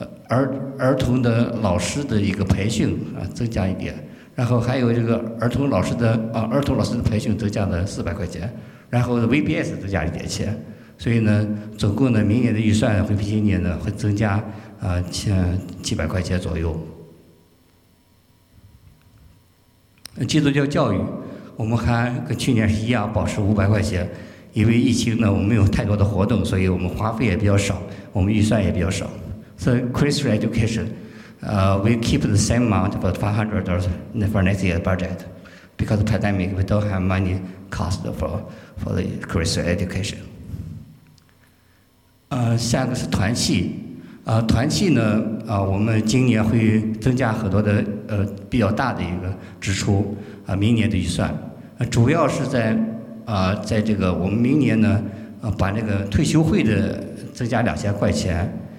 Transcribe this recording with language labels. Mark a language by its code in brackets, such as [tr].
[zh] 儿童的老师的一个培训啊，增加一点，然后还有这个儿童老师的培训增加了400块钱，然后 VBS 增加一点钱，所以呢，总共呢，明年的预算会比今年呢会增加几百块钱左右。基督教教育，我们还跟去年是一样，保持500块钱，因为疫情呢，我们没有太多的活动，所以我们花费也比较少，我们预算也比较少。 [en] So Christian education, we keep the same amount, about $500 for next year's budget. Because of the pandemic, we don't have money cost for the Christian education. [zh] 下个是团契。团契呢，我们今年会增加很多的比较大的一个支出，明年的预算。主要是在这个我们明年呢，把那个退休会的增加2000块钱。